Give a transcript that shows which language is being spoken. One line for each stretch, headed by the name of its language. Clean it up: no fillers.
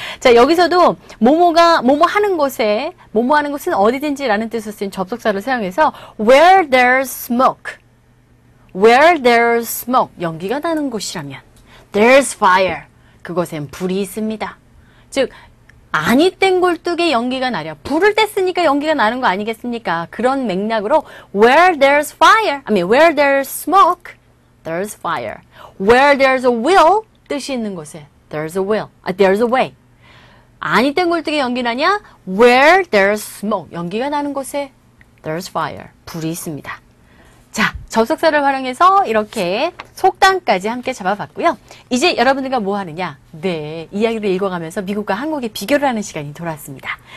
Korean: 자, 여기서도 모모가 모모 하는 곳에 모모 하는 곳은 어디든지라는 뜻을 쓴 접속사를 사용해서
English: where there's smoke. Where there's smoke.
Korean: 연기가 나는 곳이라면
English: there's fire.
Korean: 그곳엔 불이 있습니다. 즉 아니 땡굴뚝에 연기가 나려. 불을 뗐으니까 연기가 나는 거 아니겠습니까? 그런 맥락으로
English: where there's fire, I mean where there's smoke, there's fire. Where there's a will,
Korean: 뜻이 있는 곳에
English: there's a will, there's a way.
Korean: 아니 땡굴뚝에 연기 나냐?
English: Where there's smoke,
Korean: 연기가 나는 곳에
English: there's fire,
Korean: 불이 있습니다. 자, 접속사를 활용해서 이렇게 속담까지 함께 잡아봤고요. 이제 여러분들과 뭐 하느냐? 네, 이야기를 읽어가면서 미국과 한국의 비교를 하는 시간이 돌아왔습니다.